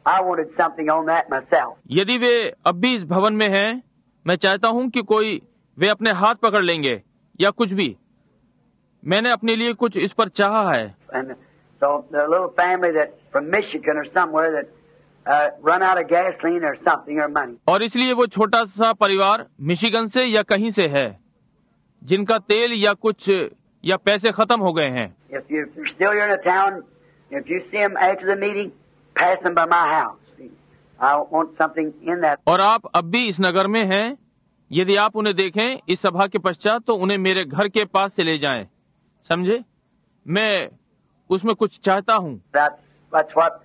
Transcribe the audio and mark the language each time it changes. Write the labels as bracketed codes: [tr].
[hi] यदि वे अब भी इस भवन में हैं, मैं चाहता हूँ कि कोई वे अपने हाथ पकड़ लेंगे या कुछ भी। मैंने अपने लिए कुछ इस पर चाहा है। [en] And so the little family that from Michigan or somewhere that run out of gasoline or something or money. [hi] और इसलिए वो छोटा सा परिवार मिशिगन से या कहीं से है जिनका तेल या कुछ या पैसे खत्म हो गए हैं। [en] If you still are in a town, if you see them after the meeting, pass them by my house. I want something in that. [hi] और आप अब भी इस नगर में हैं, यदि आप उन्हें देखें इस सभा के पश्चात तो उन्हें मेरे घर के पास से ले जाएं। समझे, मैं उसमें कुछ चाहता हूँ।